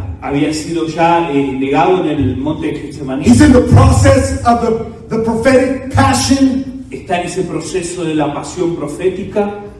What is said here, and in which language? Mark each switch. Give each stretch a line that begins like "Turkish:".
Spanish: Había sido ya negado en el Monte Getsemaní.
English: He's in the process of the prophetic passion.
Spanish: Está en ese proceso de la pasión profética.